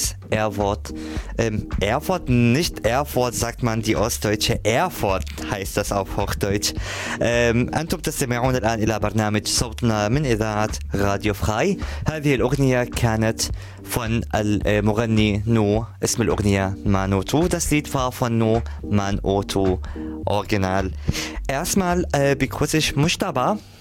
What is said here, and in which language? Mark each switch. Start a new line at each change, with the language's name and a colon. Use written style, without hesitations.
German: Erfurt. Erfurt, nicht Erfurt, sagt man die Ostdeutsche. Erfurt heißt das auf Hochdeutsch.
Arabic: أنتم تستمعون الآن إلى برنامج صوتنا من إذاعة راديو فراي. هذه الأغنية كانت
German: von
Arabic: المغني نو، اسم الأغنية مانوتو.
German: Das Lied war von نو مانوتو original. Erstmal begrüße ich Mushtaba.